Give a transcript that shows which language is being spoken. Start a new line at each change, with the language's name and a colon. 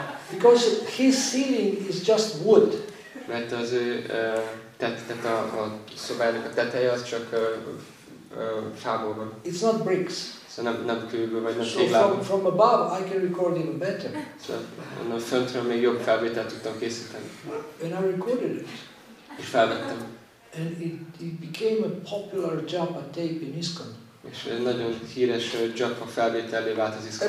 English: Because his ceiling is just wood.
Hungarian: Mert az ő tehát a szobának a teteje az csak fából van.
English: It's not bricks.
Hungarian: Szóval nem kőből vagy nem téglából.
English: So from above I can record even better.
Hungarian: Szóval a föntről még jobb felvételt tudtam készíteni.
English: And I recorded it.
Hungarian: És felvettem.
English: And it became a popular japa tape in ISKCON.
Hungarian: És nagyon híres japa felvételé vált az ISKCON.